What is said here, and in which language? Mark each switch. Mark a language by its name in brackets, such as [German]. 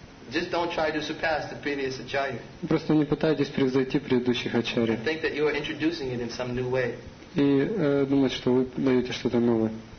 [English] Just don't try to surpass the previous acharya. [Russian] Просто не пытайтесь превзойти предыдущих ачарий. [English] And think that you are introducing it in some new way. [Russian] И думать, что вы даете что-то новое.